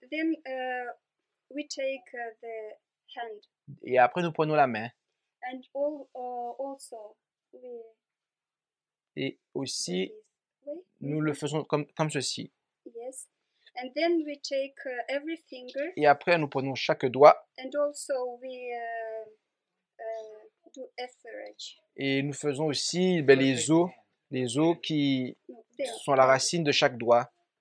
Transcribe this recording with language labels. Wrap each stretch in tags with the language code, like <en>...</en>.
<en>Then we take the hand.</en> <fr>Et après nous prenons la main.</fr> <en>And all also we.</en> <fr>Et aussi nous le faisons comme ceci.</fr> <en>Yes. And then we take every finger.</en> <fr>Et après, nous prenons chaque doigt.</fr> <en>And also we do effleurage.</en> <fr>Et nous faisons aussi ben, les os qui sont la racine de chaque doigt.</fr>